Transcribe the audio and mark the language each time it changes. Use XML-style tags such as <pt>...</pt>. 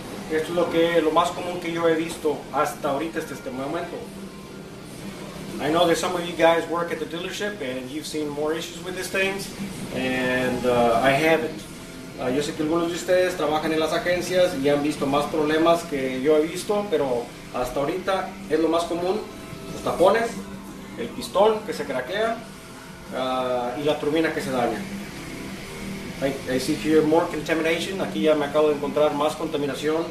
<es>Esto es lo más común que yo he visto hasta ahorita, hasta este momento.</es> <en>I know that some of you guys work at the dealership and you've seen more issues with these things, and I haven't.</en> <es>Yo sé que algunos de ustedes trabajan en las agencias y han visto más problemas que yo he visto, pero hasta ahorita es lo más común, los tapones, el pistón que se craquea, y la turbina que se daña.</es> <en>I see here more contamination.</en> <es>Aquí ya me acabo de encontrar más contaminación.</es>